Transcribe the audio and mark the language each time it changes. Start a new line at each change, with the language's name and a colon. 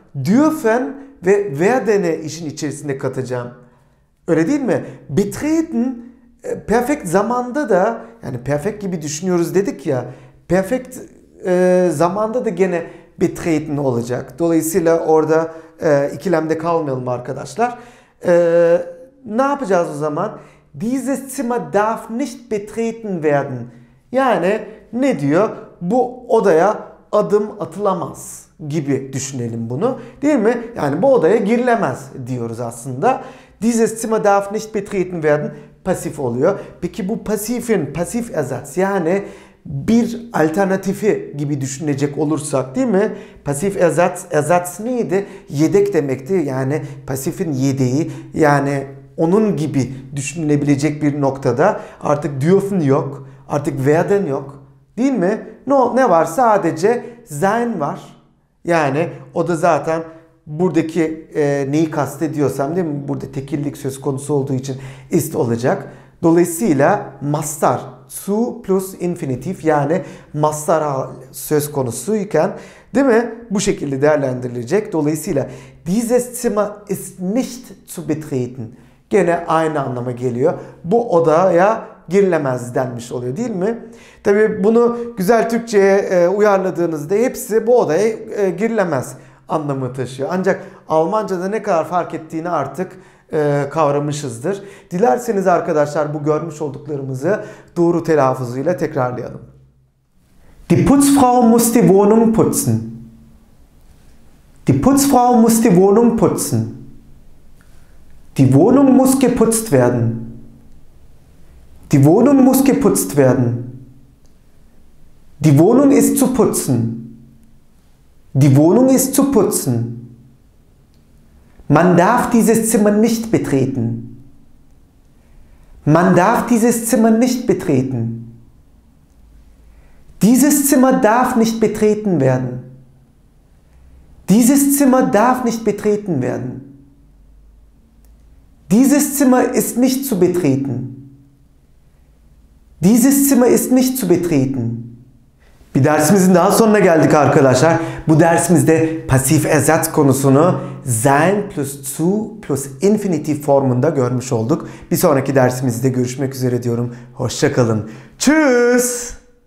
Turkish: Dürfen ve werden'i işin içerisinde katacağım. Öyle değil mi? Betreten perfect zamanda da, yani perfect gibi düşünüyoruz dedik ya, perfect zamanda da gene betreten olacak. Dolayısıyla orada ikilemde kalmayalım arkadaşlar. Ne yapacağız o zaman?
German: Dieses Zimmer darf nicht betreten werden.
Turkish: Yani ne diyor? Bu odaya adım atılamaz gibi düşünelim bunu. Değil mi? Yani bu odaya girilemez diyoruz aslında.
German: Dieses Zimmer darf nicht betreten werden
Turkish: pasif oluyor. Peki bu pasifin pasif ersatz yani bir alternatifi gibi düşünecek olursak değil mi? Pasif ersatz neydi? Yedek demekti. Yani pasifin yedeği yani onun gibi düşünülebilecek bir noktada artık dürfen yok. Artık werden yok. Değil mi? Ne var? Sadece sein var. Yani o da zaten buradaki neyi kastediyorsam değil mi? Burada tekillik söz konusu olduğu için ist olacak. Dolayısıyla mastar zu plus infinitif yani mastar söz konusuyken değil mi? Bu şekilde değerlendirilecek. Dolayısıyla
German: dieses Zimmer ist nicht zu betreten.
Turkish: Gene aynı anlama geliyor. Bu odaya girilemez denmiş oluyor değil mi? Tabii bunu güzel Türkçe'ye uyarladığınızda hepsi bu odaya girilemez anlamı taşıyor. Ancak Almanca'da ne kadar fark ettiğini artık kavramışızdır. Dilerseniz arkadaşlar bu görmüş olduklarımızı doğru telaffuzuyla tekrarlayalım.
German: Die Putzfrau muss die Wohnung putzen. Die Putzfrau muss die Wohnung putzen. Die Wohnung muss geputzt werden. Die Wohnung muss geputzt werden. Die Wohnung ist zu putzen. Die Wohnung ist zu putzen. Man darf dieses Zimmer nicht betreten. Man darf dieses Zimmer nicht betreten. Dieses Zimmer darf nicht betreten werden. Dieses Zimmer darf nicht betreten werden. Dieses Zimmer ist nicht zu betreten. Dieses Zimmer ist nicht zu betreten.
Turkish: Bir dersimizin daha sonuna geldik arkadaşlar. Bu dersimizde pasif ersatz konusunu sein plus zu plus infinitiv formunda görmüş olduk. Bir sonraki dersimizde görüşmek üzere diyorum. Hoşça kalın.
German: Tschüss.